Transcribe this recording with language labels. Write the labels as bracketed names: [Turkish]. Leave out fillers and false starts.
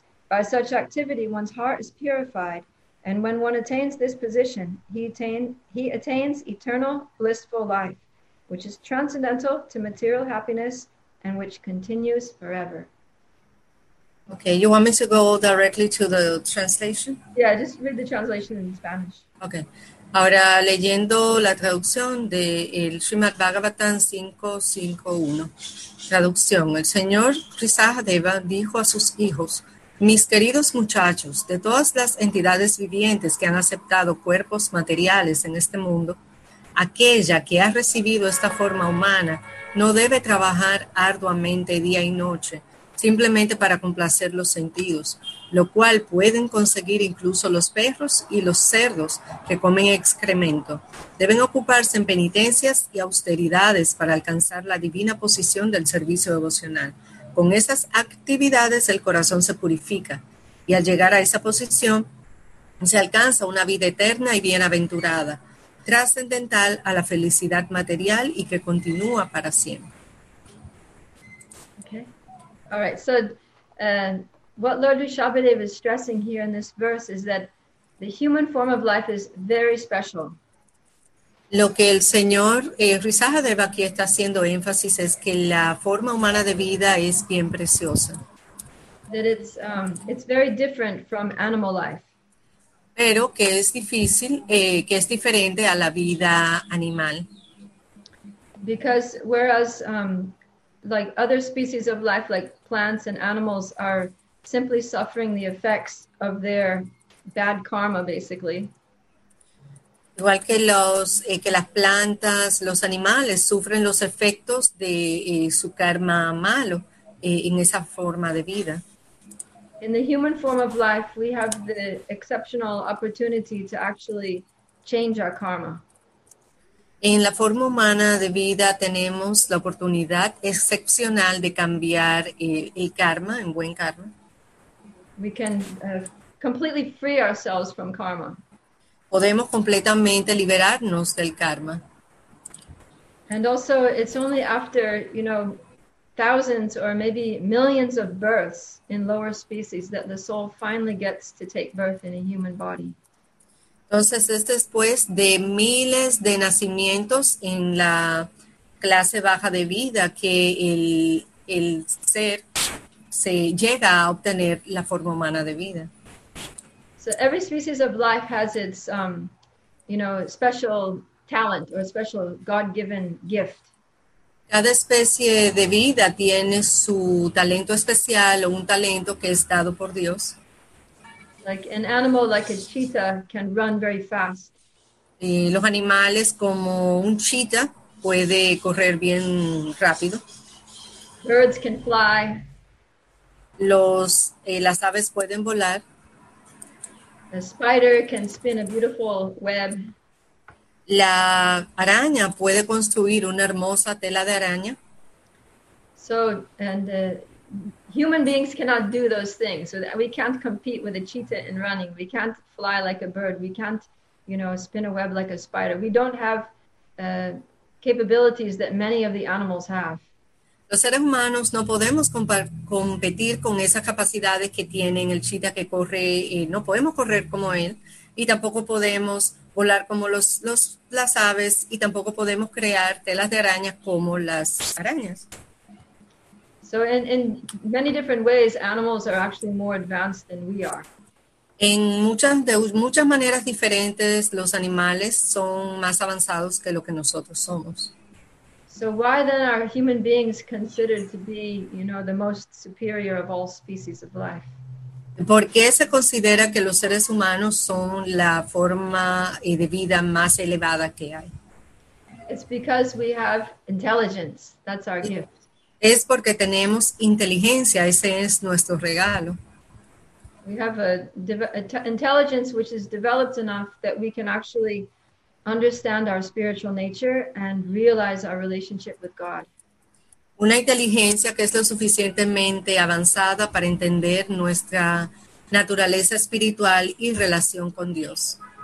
[English] By such activity, one's heart is purified, and when one attains this position, he attains eternal blissful life, which is transcendental to material happiness and which continues forever. Okay, you want me to go directly to the translation? Yeah, just read the translation in Spanish. Okay. [Spanish] Ahora leyendo la traducción de el Srimad Bhagavatam 5.5.1. Traducción. El señor Rishabhadeva dijo a sus hijos: Mis queridos muchachos, de todas las entidades vivientes que han aceptado cuerpos materiales en este mundo, aquella que ha recibido esta forma humana no debe trabajar arduamente día y noche, simplemente para complacer los sentidos, lo cual pueden conseguir incluso los perros y los cerdos que comen excremento. Deben ocuparse en penitencias y austeridades para alcanzar la divina posición del servicio devocional. Con esas actividades el corazón se purifica y al llegar a esa posición se alcanza una vida eterna y bienaventurada. trascendental a la felicidad material y que continúa para siempre. [English] Okay. All right. So, what Lord Vishwadeva is stressing here in this verse is that the human form of life is very special. [Spanish] Lo que el señor Risajadeva aquí está haciendo énfasis es que la forma humana de vida es bien preciosa. [English] That it's very different from animal life. [Spanish] Pero que es difícil, que es diferente a la vida animal. [English] Because whereas like other species of life, like plants and animals, are simply suffering the effects of their bad karma, basically. [Spanish] Igual que los que las plantas, los animales sufren los efectos de su karma malo en esa forma de vida. [English] In the human form of life, we have the exceptional opportunity to actually change our karma. [Spanish] En la forma humana de vida tenemos la oportunidad excepcional de cambiar el karma en buen karma. [English] We can completely free ourselves from karma. [Spanish] Podemos completamente liberarnos del karma. [English] And also, it's only after, you know, thousands or maybe millions of births in lower species that the soul finally gets to take birth in a human body. [Spanish] Entonces, es después de miles de nacimientos en la clase baja de vida que el ser se llega a obtener la forma humana de vida. [English] So every species of life has its, you know, special talent or special God-given gift. [Spanish] Cada especie de vida tiene su talento especial o un talento que es dado por Dios. [English] Like an animal, like a cheetah, can run very fast. [Spanish] Los animales como un cheetah puede correr bien rápido. [English] Birds can fly. [Spanish] Las aves pueden volar. [English] A spider can spin a beautiful web. [Spanish] La araña puede construir una hermosa tela de araña. [English] So, and human beings cannot do those things. So that we can't compete with a cheetah in running. We can't fly like a bird. We can't, you know, spin a web like a spider. We don't have capabilities that many of the animals have. [Spanish] Los seres humanos no podemos competir con esas capacidades que tienen el cheetah que corre, no podemos correr como él, y tampoco podemos volar como las aves, y tampoco podemos crear telas de araña como las arañas. [English] So in many different ways, animals are actually more advanced than we are. [Spanish] En muchas maneras diferentes, los animales son más avanzados que lo que nosotros somos. [English] So why then are human beings considered to be, you know, the most superior of all species of life? [Spanish] ¿Por qué se considera que los seres humanos son la forma de vida más elevada que hay? [English] It's because we have intelligence. That's our gift. [Spanish] Es porque tenemos inteligencia. Ese es nuestro regalo. [English] We have intelligence which is developed enough that we can actually understand our spiritual nature and realize our relationship with God. [Spanish] Una inteligencia que es lo suficientemente avanzada para entender nuestra naturaleza espiritual y relación con Dios.